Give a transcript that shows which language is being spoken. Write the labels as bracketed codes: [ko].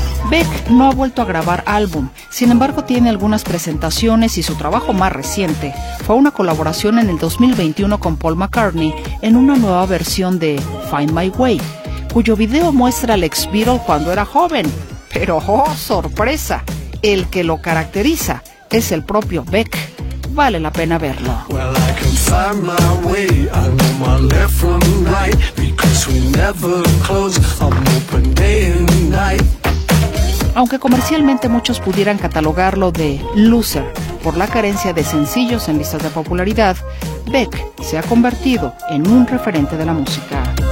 [es] Beck no ha vuelto a grabar álbum, sin embargo tiene algunas presentaciones y su trabajo más reciente fue una colaboración en el 2021 con Paul McCartney en una nueva versión de Find My Way, cuyo video muestra al ex-Beatle cuando era joven. Pero, ¡oh, sorpresa! El que lo caracteriza es el propio Beck. Vale la pena verlo. [en] Well, I can find my way. I know my left from right. Because we never close. I'm open day and night. [es] Aunque comercialmente muchos pudieran catalogarlo de loser por la carencia de sencillos en listas de popularidad, Beck se ha convertido en un referente de la música.